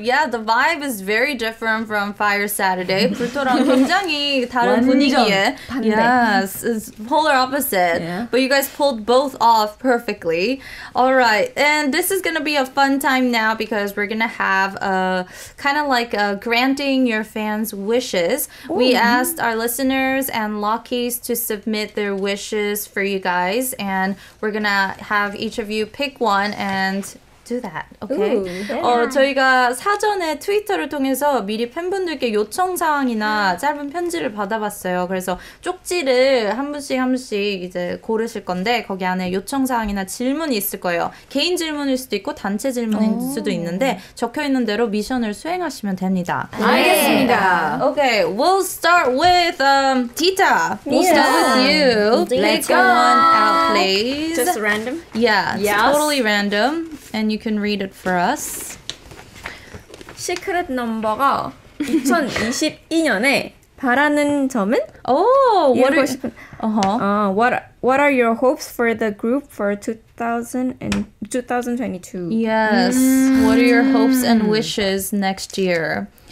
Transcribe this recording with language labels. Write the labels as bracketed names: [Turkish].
[English] Yeah, the vibe is very different from Fire Saturday. [Korean] 불토랑 굉장히 다른 분위기에. [English] Yes, it's polar opposite. Yeah. But you guys pulled both off perfectly. All right, and this is going to be a fun time now because we're going to have a kind of like a granting your fans wishes. Ooh. We asked our listeners and Lockies to submit their wishes for you guys. And we're going to have each of you pick one and... Do that, okay? Ooh, yeah. [Korean] 저희가 사전에 트위터를 통해서 미리 팬분들께 요청 사항이나 짧은 편지를 받아봤어요. 그래서 쪽지를 한 분씩 이제 고르실 건데 거기 안에 요청 사항이나 질문이 있을 거예요. 개인 질문일 수도 있고 단체 질문일 수도 있는데 적혀 있는 대로 미션을 수행하시면 됩니다. 네. 알겠습니다. [English] Okay, we'll start with Tita. We'll start with you. Let's go one out, please. Just random? Yeah, yes. Totally random. And you can read it for us. [Korean] 시크릿 넘버가 2022년에 바라는 점은? [English] Oh, what are, what are your hopes for the group for 2022? Yes, what are your hopes and wishes next year?